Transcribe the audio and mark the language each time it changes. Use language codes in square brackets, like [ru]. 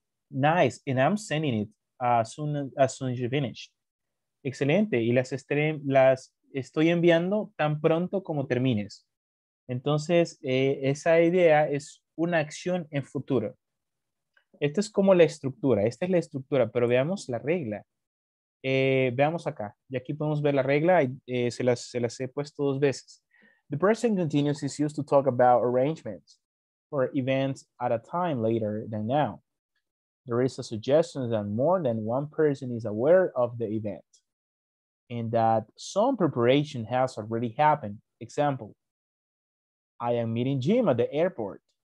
[en] Nice, and I'm sending it as soon as you finish. [es] Excelente, y las estoy enviando tan pronto como termines. Entonces, esa idea es una acción en futuro. Esta es como la estructura, esta es la estructura, pero veamos la regla. Veamos acá, y aquí podemos ver la regla, se las he puesto dos veces. [en] The present continuous is used to talk about arrangements or events at a time later than now. There is a suggestion that more than one person is aware of the event and that some preparation has already happened. Example, I am meeting Jim at the airport.